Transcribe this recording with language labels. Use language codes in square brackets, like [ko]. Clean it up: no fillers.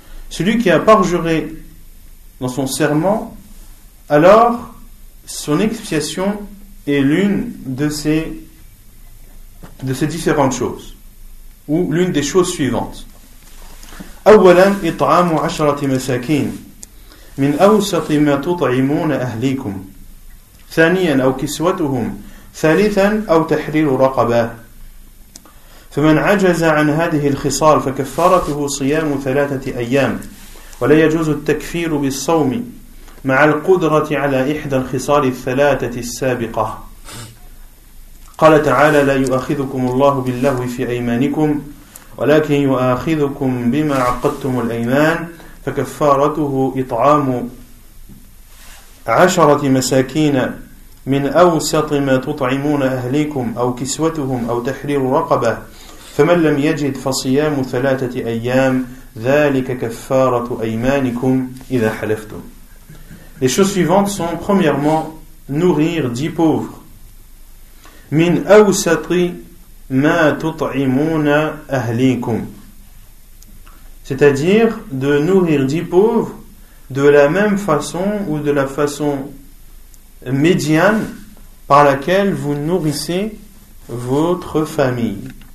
[fr] Celui qui a parjuré dans son serment, alors son expiation est l'une de ces différentes choses, ou l'une des choses suivantes. [ar] Awwalan it'amu 'ashrati masakin. من أوسط ما تطعمون أهليكم ثانيا أو كسوتهم ثالثا أو تحرير رقبة فمن عجز عن هذه الخصال فكفارته صيام ثلاثة أيام ولا يجوز التكفير بالصوم مع القدرة على إحدى الخصال الثلاثة السابقة قال تعالى لا يؤاخذكم الله باللغو في أيمانكم ولكن يؤاخذكم بما عقدتم الأيمان فكفارته إطعام عشرة مساكين من أوسط ما تطعمون أهليكم أو كسوتهم أو تحرير رقبة فمن لم يجد فصيام ثلاثة أيام ذلك كفارة أيمانكم إذا حلفتم. [fr] Les choses suivantes sont, premièrement, nourrir 10 pauvres. [ar] من أوسط ma tut'imuna ahlikum. [fr] C'est-à-dire de nourrir 10 pauvres de la même façon ou de la façon médiane par laquelle vous nourrissez votre famille.